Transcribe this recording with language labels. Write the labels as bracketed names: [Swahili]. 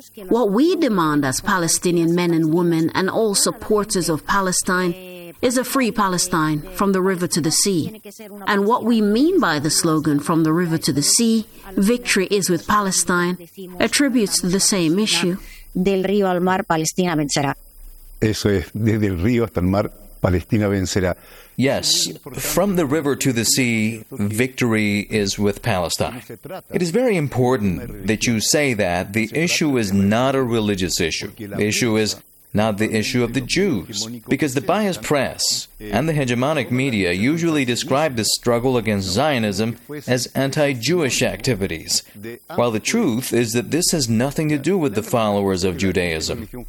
[English] What we demand as Palestinian men and women and all supporters of Palestine is a free Palestine from the river to the sea. And what we mean by the slogan from the river to the sea, victory is with Palestine, attributes to the same issue. [Spanish] del río al mar, Palestina vencerá. Eso es, desde el río hasta el mar, Palestina vencerá. [English] Yes, from the river to the sea, victory is with Palestine. It is very important that you say that the issue is not a religious issue. The issue is not the issue of the Jews, because the biased press and the hegemonic media usually describe the struggle against Zionism as anti-Jewish activities, while the truth is that this has nothing to do with the followers of Judaism.